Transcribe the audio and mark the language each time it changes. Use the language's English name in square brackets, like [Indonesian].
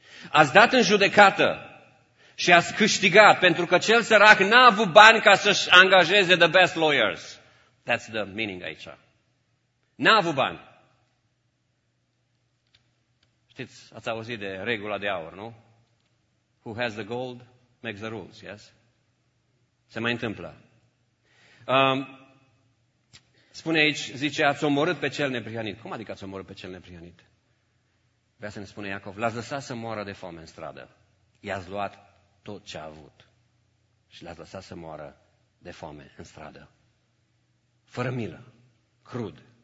[Romanian] Ați dat în judecată și ați câștigat, pentru că cel sărac n-a avut bani ca să-și angajeze [English] the best lawyers. That's the meaning [Romanian] aici. N-a avut bani. Știți, ați auzit de regula de aur, nu? [English] Who has the gold makes the rules, yes? [Romanian] Se mai întâmplă. Spune aici, zice, ați omorât pe cel neprihănit. Cum adică ați omorât pe cel neprihănit? Vrea să ne spune Iacov, l-ați lăsat să moară de foame în stradă. I-ați luat tot ce a avut. Și l-ați lăsat să moară de foame în stradă. Fără milă, crud.